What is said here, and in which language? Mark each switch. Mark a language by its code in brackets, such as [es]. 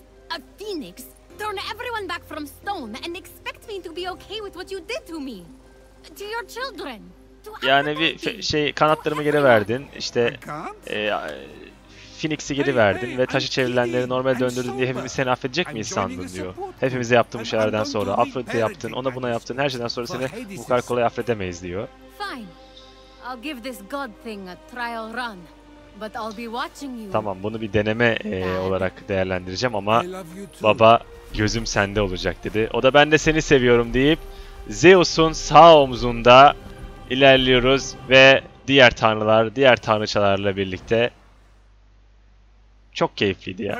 [en] A phoenix, turn everyone back from stone and expect me to be okay with what you did to me, to your children. [tr] Yani bir şey, kanatlarımı geri verdin, işte Phoenix'i geri verdin ve taşı çevrilenleri normal döndürdün diye hepimiz seni affedecek miyiz sandın diyor. Hepimize yaptığın şeylerden sonra, Aphrodite yaptın, ona buna yaptın, her şeyden sonra seni bu kadar kolay affedemeyiz diyor. [en] Fine, I'll give this god thing a trial run. But I'll be watching you. [tr] Tamam, bunu bir deneme olarak değerlendireceğim ama baba gözüm sende olacak dedi. O da ben de seni seviyorum deyip Zeus'un sağ omzunda ilerliyoruz ve diğer tanrılar, diğer tanrıçalarla birlikte çok keyifliydi ya.